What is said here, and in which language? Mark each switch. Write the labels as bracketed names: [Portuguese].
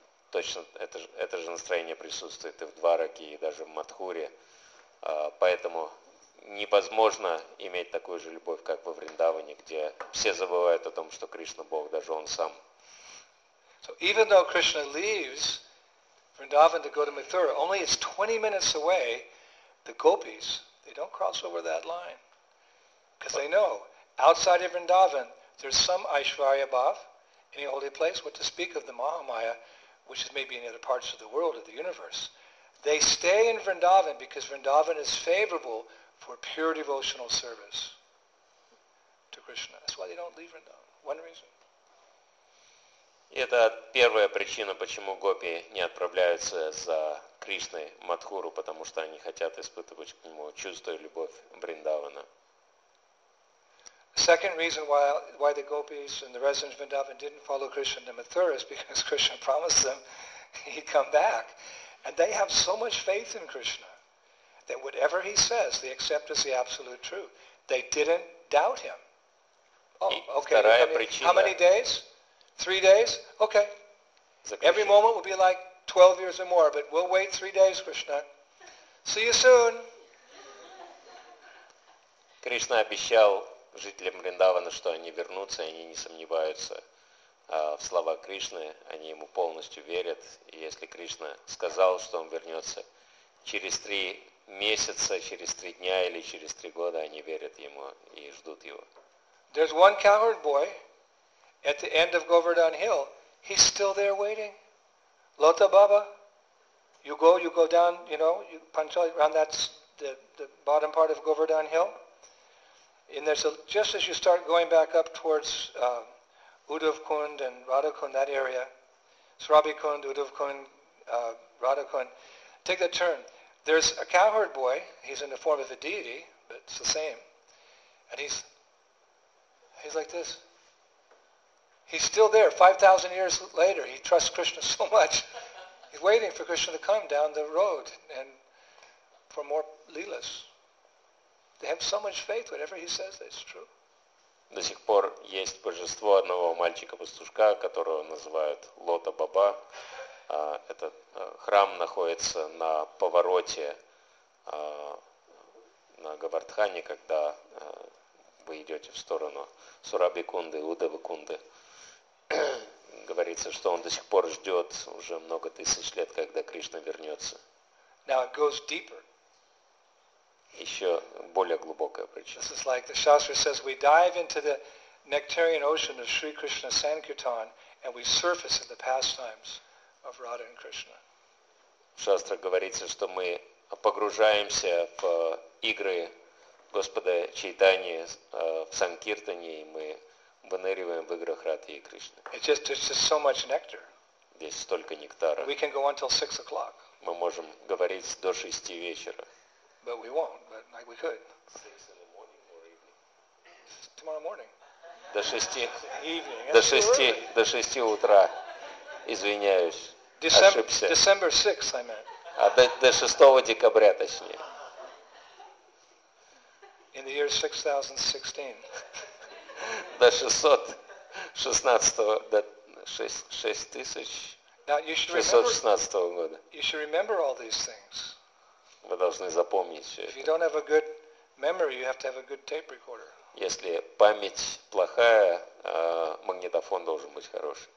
[Russian] Точно это же настроение присутствует и в Двараке, и даже в Матхуре. Поэтому невозможно иметь такую же любовь, как во Вриндаване, где все забывают о том, что Кришна Бог, даже Он сам. [English] So even though Krishna leaves Vrindavan to go to Mathura, only it's 20 minutes away, the gopis, they don't cross over that line. Because they know, outside of Vrindavan, there's some Aishwarya Bhav, any holy place, what to speak of the Mahamaya, which is maybe in other parts of the world or the universe. They stay in Vrindavan because Vrindavan is favorable for pure devotional service to Krishna. That's why they don't leave Vrindavan. One reason. [Russian] Это первая причина, почему гопи не отправляются за Кришной в Матхуру, потому что они хотят испытывать к нему чувство и любовь Вриндавана. [English] Second reason why the gopis and the residents of Vrindavan didn't follow Krishna to Mathura is because Krishna promised them he'd come back. And they have so much faith in Krishna that whatever he says, they accept as the absolute truth. They didn't doubt him. Oh, okay. How many days? 3 days? Okay. Every moment will be like 12 years or more, but we'll wait 3 days, Krishna. See you soon. [Russian] Кришна обещал жителям Вриндавана, что они вернутся, и они не сомневаются в словах Кришны. Они ему полностью верят. И если Кришна сказал, что он вернется через 3 месяца, через 3 дня или через 3 года, они верят ему и ждут его. [English] There's one coward boy at the end of Govardhan Hill. He's still there waiting. Lota Baba, you go down, you know, you punch around that's the bottom part of Govardhan Hill. And there's just as you start going back up towards Uddhav Kund and Radha Kund, that area, Sarabhi Kund, Uddhav Kund, Radha Kund, take that turn. There's a cowherd boy, he's in the form of a deity, but it's the same. And he's like this. He's still there, 5,000 years later. He trusts Krishna so much. He's waiting for Krishna to come down the road and for more leelas. They have so much faith, whatever he says, that's true. [Russian] До сих пор есть божество одного мальчика-пастушка, которого называют Лота Баба. Этот храм находится на повороте на Говардхане, когда вы идете в сторону Сурабикунды, Удавикунды. Говорится, что он до сих пор ждет уже много тысяч лет, когда Кришна вернется. [English] Now it goes deeper. [Russian] Еще более глубокая причина. [English] This is like the Shastra says, we dive into the nectarian ocean of Sri Krishna Sankirtan and we surface in the pastimes of Radha and Krishna. [Russian] Шастра говорится, что мы погружаемся в игры Господа Чайтани в Санкиртане, и мы выныриваем в играх Радхи и Кришны. [English] It's just so much nectar. [Russian] Здесь столько нектара. [English] We can go until 6 o'clock. [Russian] Мы можем говорить до 6 вечера. [English] But we won't, but like we could. 6 in the morning or evening. Tomorrow morning. [Russian] До 6. [English] Evening. [Russian] До 6 утра. Извиняюсь. Ошибся. [English] December 6, I meant. [Russian] А до 6 декабря, точнее. [English] In the year 6016. [Russian] До 616, до 6616 года. [English] You should remember all these things. [Russian] Вы должны запомнить все это. [English] If you don't have a good memory, you have to have a good tape recorder. [Russian] Если память плохая, магнитофон должен быть хороший.